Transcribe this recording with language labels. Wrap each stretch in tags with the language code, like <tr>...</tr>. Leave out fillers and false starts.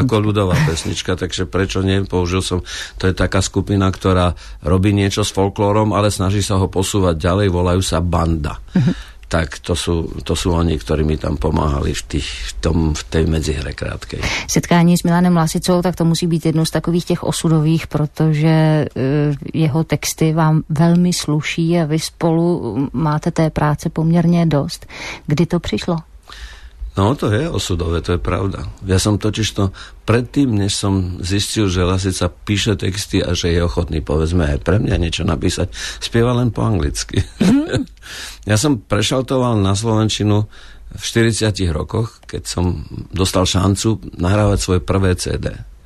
<sk>Ako ľudová pesnička, takže prečo nie, použil som, to je taká skupina, ktorá robí niečo s folklórom, ale snaží sa ho posúvať ďalej, volajú sa Banda. Tak to sú oni, ktorí mi tam pomáhali v tej medzihre krátkej.</sk> <cs>Setkání s Milanem Lasicou, tak to musí být jedno z takových těch osudových, protože jeho texty vám velmi sluší a vy spolu máte té práce poměrně dost. Kdy to přišlo?</cs> <sk>No, to je osudové, to je pravda. Ja som totiž to predtým, než som zistil, že Lasica píše texty a že je ochotný, povedzme, aj pre mňa niečo napísať, spieva len po anglicky. Ja som prešaltoval na slovenčinu v 40 rokoch, keď som dostal šancu nahrávať svoje prvé CD.</sk>